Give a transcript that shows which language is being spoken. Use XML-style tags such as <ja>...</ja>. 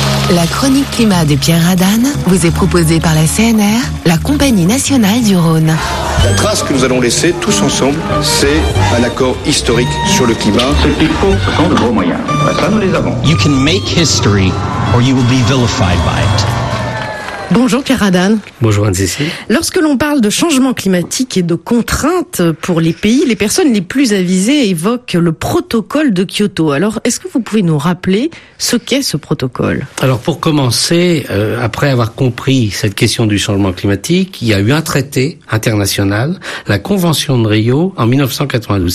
<fr>La chronique climat de Pierre Radan vous est proposée par la CNR, la Compagnie nationale du Rhône. La trace que nous allons laisser tous ensemble, c'est un accord historique sur le climat. Ce qu'il faut, ce sont de gros moyens. Ça, nous les avons.</fr> <en>You can make history or you will be vilified by it.</en> <fr>Bonjour Pierre Radan. Bonjour Anne-Cécile. Lorsque l'on parle de changement climatique et de contraintes pour les pays, les personnes les plus avisées évoquent le protocole de Kyoto. Alors, est-ce que vous pouvez nous rappeler ce qu'est ce protocole ? Alors, pour commencer, après avoir compris cette question du changement climatique, il y a eu un traité international, la Convention de Rio, en 1992.</fr>